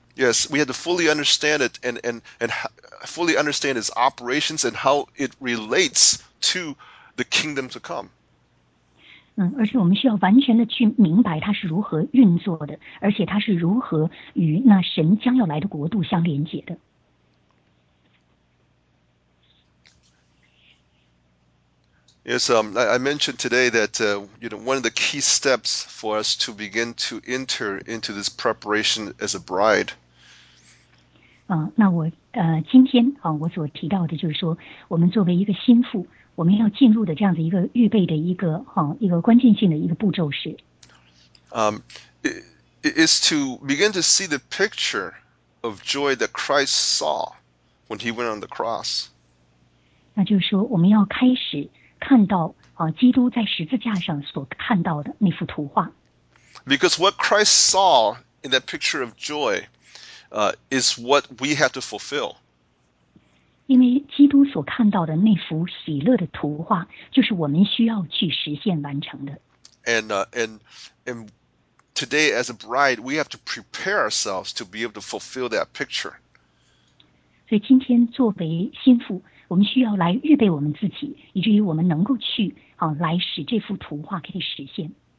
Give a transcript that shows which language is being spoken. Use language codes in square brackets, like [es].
[en] Yes, we have to fully understand it and fully understand its operations and how it relates to. The kingdom to come. [zh] 而且我们需要完全的去明白它是如何运作的，而且它是如何与那神将要来的国度相连接的。 [en] Yes, I mentioned today that you know one of the key steps for us to begin to enter into this preparation as a bride. [zh] 那我今天我所提到的就是说，我们作为一个新妇。我们要进入的这样子一个预备的一个关键性的一个步骤是 [en] it is to begin to see the picture of joy that Christ saw when he went on the cross. [zh] 那就是说我们要开始看到基督在十字架上所看到的那幅图画。 [en] Because what Christ saw in that picture of joy is what we have to fulfill. [zh] 因为基督所看到的那幅喜乐的图画，就是我们需要去实现完成的。 [en] And today as a bride, we have to prepare ourselves to be able to fulfill that picture. [zh] 所以今天作为新妇，我们需要来预备我们自己，以至于我们能够去来使这幅图画可以实现。